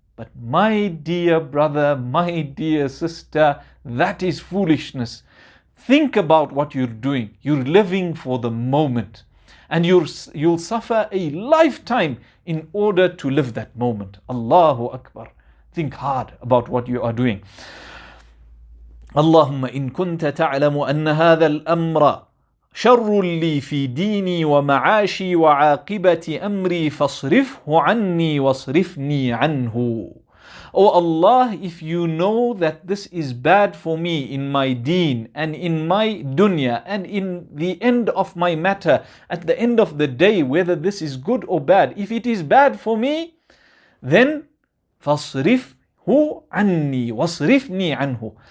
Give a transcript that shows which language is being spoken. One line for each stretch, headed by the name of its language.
English: But my dear brother, my dear sister, that is foolishness. Think about what you're doing. You're living for the moment. And you'll suffer a lifetime in order to live that moment. Allahu Akbar. Think hard about what you are doing.
Arabic: Allahumma in kunta ta'lamu anna hadha al-amra شر لي في ديني ومعاشي وعاقبة أمري فاصرفه عني واصرفني عنه.
English: O Allah, if you know that this is bad for me in my deen and in my dunya and in the end of my matter, at the end of the day, whether this is good or bad, if it is bad for me, then
Arabic: فَصْرِفْهُ عَنِّي وَصْرِفْنِي عَنْهُ.